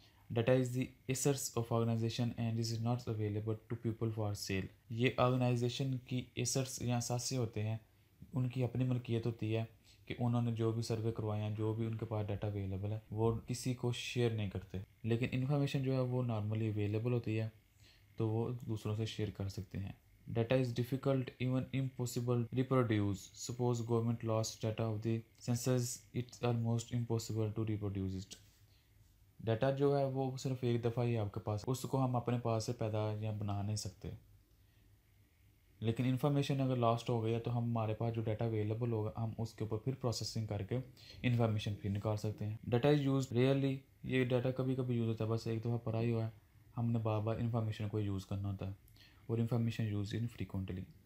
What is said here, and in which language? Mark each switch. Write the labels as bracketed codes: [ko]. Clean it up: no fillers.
[en] data is the assets of organization and is not available to people for sale, [ur] یہ organization کی assets یا اثاثے ہوتے ہیں، ان کی اپنی ملکیت ہوتی ہے کہ انہوں نے جو بھی سروے کروائے ہیں، جو بھی ان کے پاس ڈیٹا اویلیبل ہے، وہ کسی کو شیئر نہیں کرتے، لیکن انفارمیشن جو ہے وہ نارملی اویلیبل ہوتی ہے تو وہ دوسروں سے شیئر کر سکتے ہیں۔ [en] data is difficult, even impossible, to reproduce. Suppose government lost data of the census, it's almost impossible to reproduce it. [ur] Data جو ہے وہ صرف ایک دفعہ ہی آپ کے پاس, اس کو ہم اپنے پاس سے پیدا یا بنا نہیں سکتے. لیکن انفارمیشن اگر لاسٹ ہو گئی ہے تو ہمارے پاس جو ڈیٹا اویلیبل ہوگا ہم اس کے اوپر پھر پروسیسنگ کر کے انفارمیشن پھر نکال سکتے ہیں. [en] data is use rarely, [ur] یہ ڈیٹا کبھی کبھی یوز ہوتا ہے, بس ایک دفعہ پڑھا ہی ہوا ہے, ہم نے بار بار انفارمیشن کو یوز کرنا ہوتا ہے, اور [en] Information use infrequently.